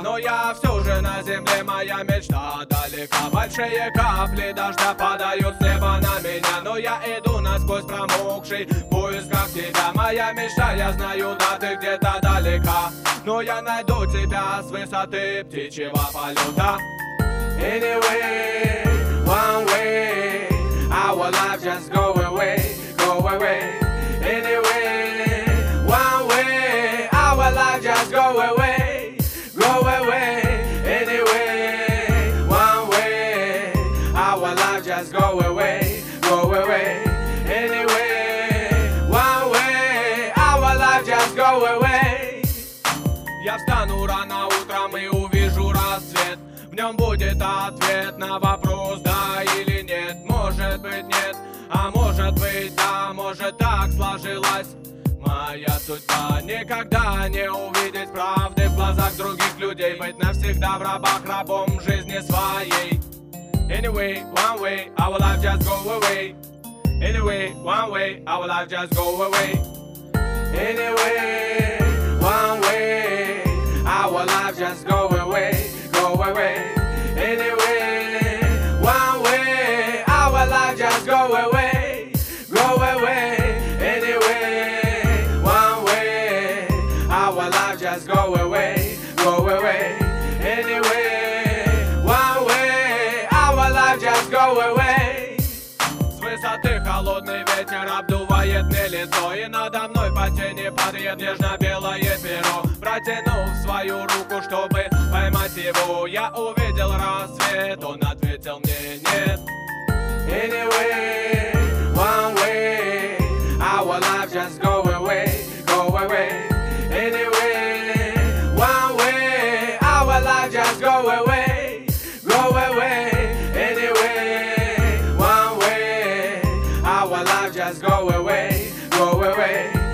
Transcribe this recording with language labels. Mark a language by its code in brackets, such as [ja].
[ru] Но я все же на земле, моя мечта далека. Большие капли дождя падают с неба на меня. Но я иду насквозь промокший в поисках тебя. Моя мечта, я знаю, да ты где-то далека. Но я найду тебя с высоты птичьего полета. [en] Anyway, one way, our life just go away, go away. Anyway, one way, our life just go away, go away. Anyway, one way, our life just go away, go away. Anyway, one way, our life just go away. [ru] Я встану рано утром и увижу рассвет. В нем будет ответ на вопрос, да или нет. Может быть нет, а может быть да. Может так сложилась моя судьба. Никогда не увидеть правды в глазах других людей. Быть навсегда в рабах, рабом жизни своей. [en] Anyway, one way, our life just go away. Anyway, one way, our life just go away. Anyway, one way, our life just go away. Anyway, one way, our life just go away, go away. Anyway, one way, our life just go away, go away. Anyway, one way, our life just go away. [ru] С высоты холодный ветер обдувает мне лицо, и надо мной по тени падает нежно-белое перо. Протянув свою руку, чтобы поймать его, я увидел рассвет, он ответил мне нет. [en] Anyway, one way, our life just go away, go away. Anyway, one way, our life just go away, go away. Anyway, one way, our life just go away, go away.